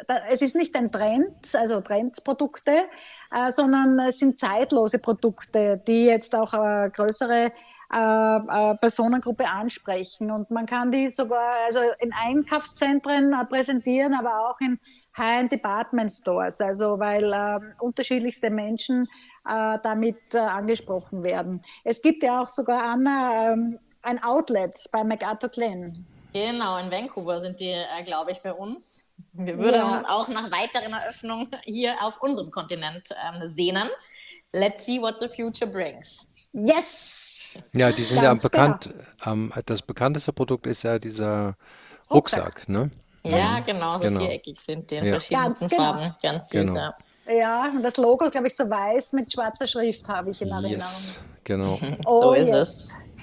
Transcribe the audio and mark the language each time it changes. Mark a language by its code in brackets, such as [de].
[de] es ist nicht ein Trend, also Trendsprodukte, sondern es sind zeitlose Produkte, die jetzt auch größere Personengruppe ansprechen und man kann die sogar also in Einkaufszentren präsentieren, aber auch in High-End Department Stores, also weil unterschiedlichste Menschen damit angesprochen werden. Es gibt ja auch sogar, Anna, ein Outlet bei MacArthur Glen. Genau, in Vancouver sind die, glaube ich, bei uns. Wir würden uns auch nach weiteren Eröffnungen hier auf unserem Kontinent sehnen. [en] Let's see what the future brings. Yes! [de] Ja, die sind ganz ja bekannt. Genau. Das bekannteste Produkt ist ja dieser Rucksack, ne? Ja, genau, so genau. Viereckig sind die in verschiedensten ganz Farben. Genau. Ganz süß, genau. Ja. Ja, und das Logo, glaube ich, so weiß mit schwarzer Schrift habe ich in Erinnerung. Yes, genau. Oh, so ist es.